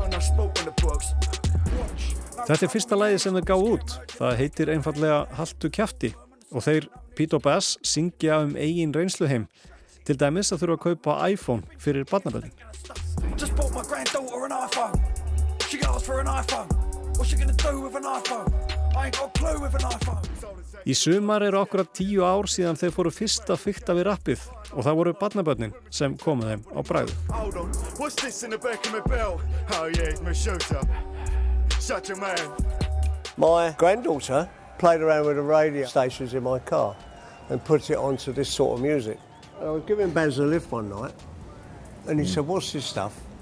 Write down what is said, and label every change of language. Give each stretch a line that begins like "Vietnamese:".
Icelandic: Þetta fyrsta lagi sem þeir gáðu út, það heitir einfaldlega Haltu kjafti og þeir Pete og Bass syngja eigin reynsluheim til dæmis að þurfa að kaupa iPhone fyrir barnabörnin.
English: Just bought my granddaughter an iPhone. She asked for an iPhone. What's she gonna do with an iPhone? I ain't got a clue with an iPhone.
Icelandic: Í sumar eru akkurat 10 ár síðan þeir fóru fyrst að fikta við rappið og það voru barnabörnin sem komu þeim á bragðu.
English: Hold on, what's this in the back of my bell? Oh yeah, it's my shooter. Such a man. My granddaughter played around with the radio stations in my car and put it onto this sort of music. I was giving Baz a lift one night and he said, what's this stuff?